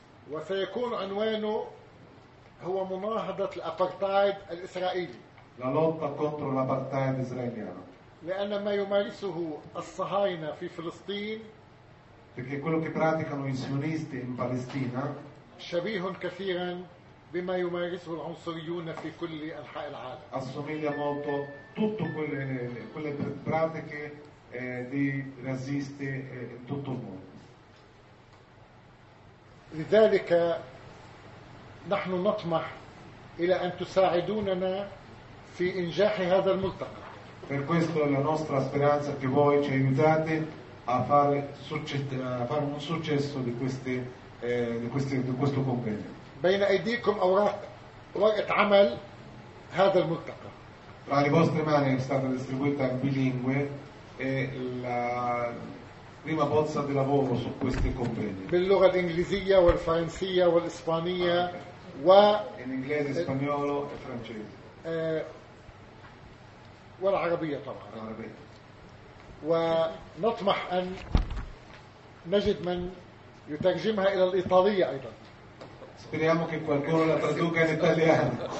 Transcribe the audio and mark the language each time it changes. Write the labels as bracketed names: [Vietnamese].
[Arabic] وسيكون عنوانه هو مناهضة الابارتايد الاسرائيلي. [Italian] La lotta contro l'apartheid israeliano. [Arabic] لان ما يمارسه الصهاينة في فلسطين. [Italian] Perché quello che praticano i sionisti in Palestina. [Arabic] شبيه كثيرا بما يمارسه العنصريون في كل أنحاء العالم. [Italian] Assomiglia molto tutto quelle pratiche di razziste in tutto il mondo. [Arabic] لذلك نحن نطمح إلى أن تساعدوننا في إنجاح هذا الملتقى. [Italian] Per questo la nostra speranza che voi ci aiutate a fare un successo di queste. Di questo convegno. [Arabic] بين أيديكم أوراق ورقة عمل هذا الملتقى. [Italian] Tra le vostre mani è stata distribuita in bilingue e la prima bozza di lavoro su questi convegni. [Arabic] باللغة الإنجليزية والفرنسية والإسبانية و [Italian] in inglese, spagnolo e francese. [Arabic] والعربية طبعا. العربية. ونطمح أن نجد من يترجمها إلى الإيطالية أيضا. [Italian] Speriamo che qualcuno la traduca in italiano.